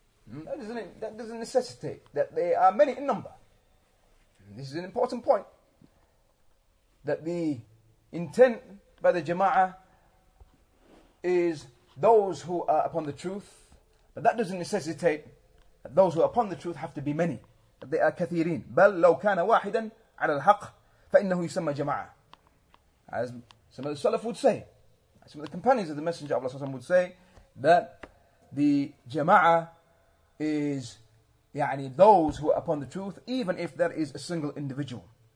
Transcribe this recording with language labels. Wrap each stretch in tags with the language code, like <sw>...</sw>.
<en>That doesn't necessitate that they are many in number. This is an important point. That the intent by the jama'ah is those who are upon the truth. But that doesn't necessitate that those who are upon the truth have to be many. That they are كثيرين.</en> <ar>بل لو كان واحدا على الحق فإنه يسمى جماعة.</ar> <en>As some of the Salaf would say, some of the companions of the Messenger of Allah would say that the jama'ah is يعني, those who are upon the truth, even if there is a single individual.</en>